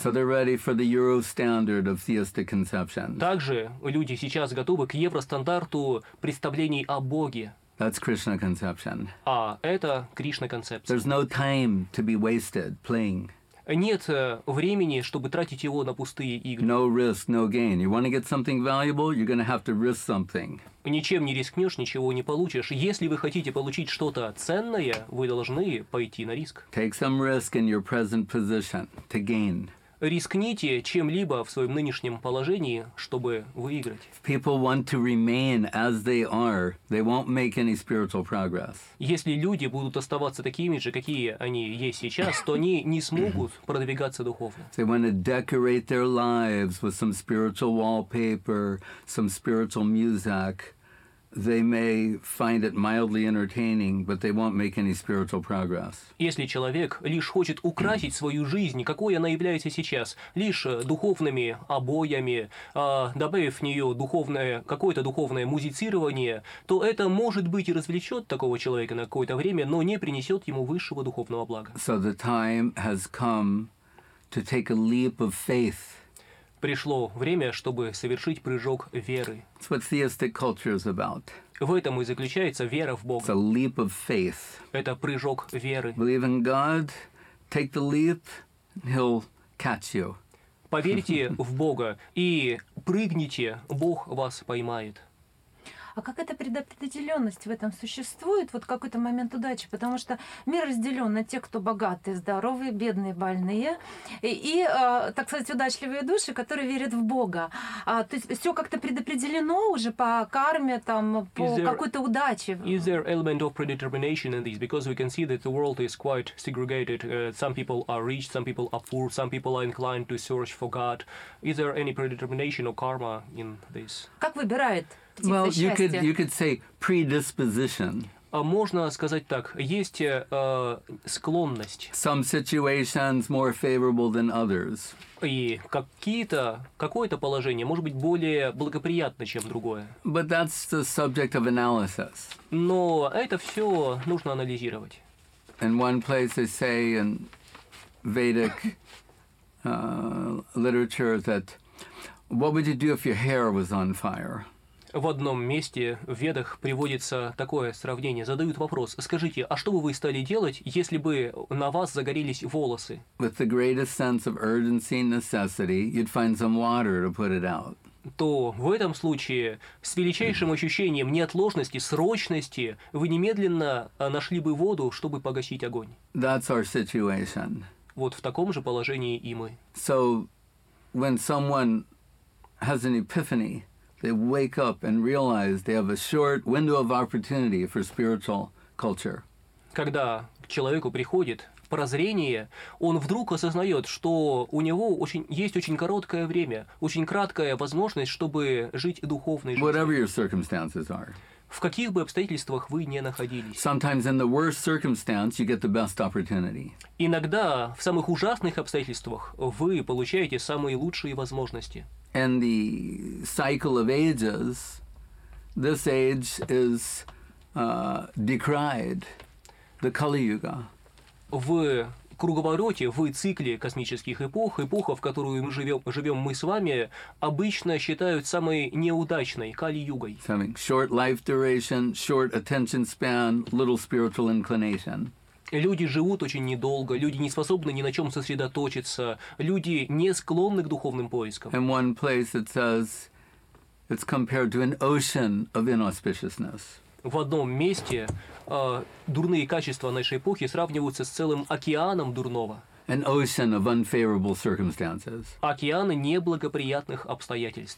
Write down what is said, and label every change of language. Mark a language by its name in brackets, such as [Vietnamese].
[English] So they're ready for the euro standard of theistic conception. [Russian] Также люди сейчас готовы к евростандарту представлений о Боге. [English] That's Krishna conception. [Russian] А это Кришна концепция. [English] There's no time to be wasted playing. [Russian] нет времени, чтобы тратить его на пустые игры. [English] No risk, no gain. You want to get something valuable, you're going to have to risk something. [Russian] Ничем не рискнешь, ничего не получишь. Если вы хотите получить что-то ценное, вы должны пойти на риск. [English] Take some risk in your present position to gain. [Russian] Рискните чем-либо в своем нынешнем положении, чтобы выиграть. [English] If people want to remain as they are, they won't make any spiritual progress. [Russian] Если люди будут оставаться такими же, какие они есть сейчас, то они не смогут продвигаться духовно. [English] They want to decorate their lives with some spiritual wallpaper, some spiritual music. They may find it mildly entertaining, but they won't make any spiritual progress. [Russian] Если человек лишь хочет украсить свою жизнь, какой она является сейчас, лишь духовными обоями, добавив в нее духовное, какое-то духовное музицирование, то это может быть и развлечет такого человека на какое-то время, но не принесет ему высшего духовного блага. [English] So the time has come to take a leap of faith. [Russian] Пришло время, чтобы совершить прыжок веры. [English] It's what theistic culture is about. [Russian] В этом и заключается вера в Бога. [English] It's a leap of faith. [Russian] Это прыжок веры. [English] Believe in God, take the leap, he'll catch you. [Russian] Поверьте в Бога и прыгните, Бог вас поймает. А как эта предопределенность в этом существует? Вот какой-то момент удачи, потому что мир разделен на тех, кто богатые, здоровые, бедные, больные, так сказать, удачливые души, которые верят в Бога. То есть все как-то предопределено уже по карме, там, по какой-то удаче. [English] Is there element of predetermination in this? Because we can see that the world is quite segregated. Some people are rich, some people are poor, some people are inclined to search for God. Is there any predetermination or karma in this? [Russian] Как выбирает? [English] Well, you could say predisposition. [Russian] Можно сказать так. Есть склонность. [English] Some situations more favorable than others. [Russian] И какое-то положение может быть более благоприятно, чем другое. [English] But that's the subject of analysis. [Russian] Но это все нужно анализировать. [English] In one place they say in Vedic literature that what would you do if your hair was on fire? [Russian] В одном месте в Ведах приводится такое сравнение. Задают вопрос: скажите, а что бы вы стали делать, если бы на вас загорелись волосы? [English] With the greatest sense of urgency and necessity, you'd find some water to put it out. [Russian] То в этом случае с величайшим ощущением неотложности, срочности, вы немедленно нашли бы воду, чтобы погасить огонь. [English] That's our situation. [Russian] Вот в таком же положении и мы. [English] So, when someone has an epiphany, they wake up and realize they have a short window of opportunity for spiritual culture. [Russian] Когда к человеку приходит прозрение, он вдруг осознает, что у него есть очень короткое время, очень краткая возможность, чтобы жить духовной жизнью. [English] Whatever your circumstances are. [Russian] В каких бы обстоятельствах вы ни находились. [English] Sometimes in the worst circumstance you get the best opportunity. [Russian] Иногда в самых ужасных обстоятельствах вы получаете самые лучшие возможности. [English] In the cycle of ages, this age is decried, the Kali Yuga. [Russian] В круговороте, в цикле космических эпох, эпоха, в которую мы живем мы с вами, обычно считают самой неудачной Кали Югой. [English] Something short life duration, short attention span, little spiritual inclination. [Russian] Люди живут очень недолго, люди не способны ни на чем сосредоточиться, люди не склонны к духовным поискам. [English] In one place it says it's compared to an ocean of inauspiciousness. [Russian] В одном месте дурные качества нашей эпохи сравниваются с целым океаном дурного. [English] An ocean of unfavorable circumstances. [Russian] Океаны неблагоприятных обстоятельств.